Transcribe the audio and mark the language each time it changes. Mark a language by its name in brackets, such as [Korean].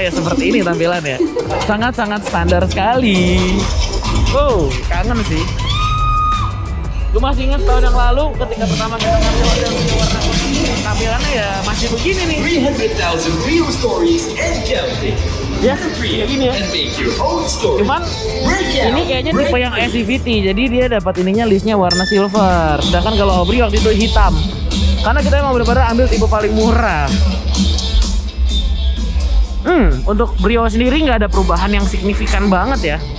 [Indonesian] Ya seperti ini tampilan ya. Sangat-sangat standar sekali. Kangen sih. Gue masih ingat tahun yang lalu ketika pertama kita ngambil warna kuning, tampilannya ya masih begini nih. [English] 300,000 real stories and counting. [Indonesian] Yeah, ya, begini ya. Cuman ini kayaknya tipe yang SUVT, jadi dia dapat ininya listnya warna silver. Sedangkan kalau Obri waktu itu hitam. Karena kita emang benar-benar ambil tipe paling murah. Untuk Brio sendiri nggak ada perubahan yang signifikan banget ya.